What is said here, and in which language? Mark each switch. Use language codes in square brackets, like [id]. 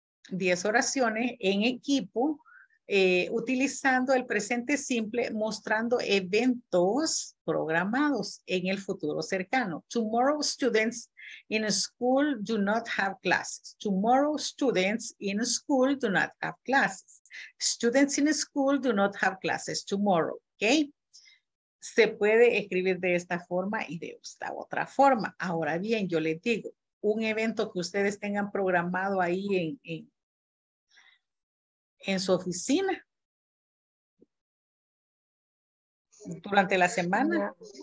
[es] 10 oraciones en equipo, utilizando el presente simple, mostrando eventos programados en el futuro cercano. [en] Tomorrow students in school do not have classes. Tomorrow students in school do not have classes. Students in school do not have classes tomorrow. [es] ¿Okay? Se puede escribir de esta forma y de esta otra forma. Ahora bien, yo les digo, un evento que ustedes tengan programado ahí en su oficina durante la semana.